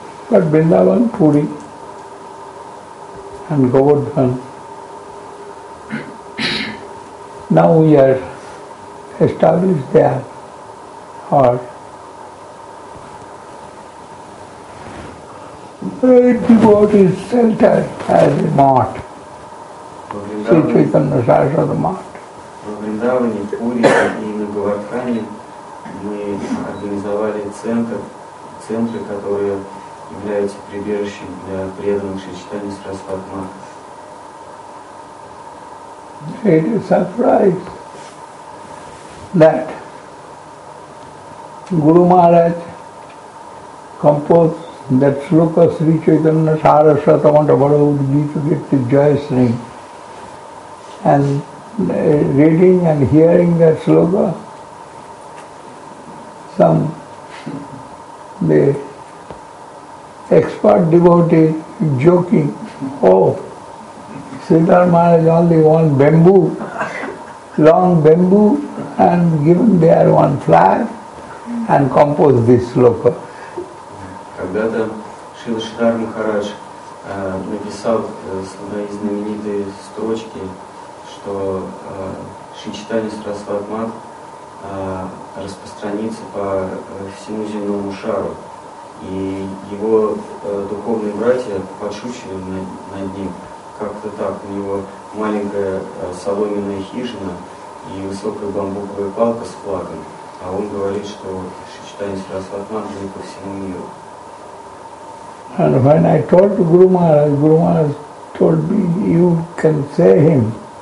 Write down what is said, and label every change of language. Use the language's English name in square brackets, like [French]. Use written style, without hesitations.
[English] But Vrindavan Puri and Govardhan, now we are established there, or very devotee shelter as a mart, Sri Chaitanya Sarasvata mart. [Russian] Вриндаване, Пури и на Говардхане мы организовали центры, которые являются прибежищем для преданных Шри Чайтаньи Сарасвати Махараджа. [English] It is a surprise that Guru Maharaj composed that sloka Sri Chaitanya Sarasvati Mahaprabhu need to get the joyous ring. And reading and hearing that sloka, the expert devotee joking, "Oh, Siddhar Maharaj only want bamboo, long bamboo, and given there one flower and compose this sloka." [Russian] Когда-то Шрила Шридхар Махарадж написал свои знаменитые строчки, что Шри Чайтанья Сарасвати Махараджа распространится по всему земному шару. И его духовные братья подшучивали над ним. Как-то так, у него маленькая соломенная хижина и высокая бамбуковая палка с флагом, а он говорит, что Шри Чайтанья Сарасвати Махараджа будет по всему миру. [English] And when I told Guru Maharaj, Guru Maharaj told me, you can say him.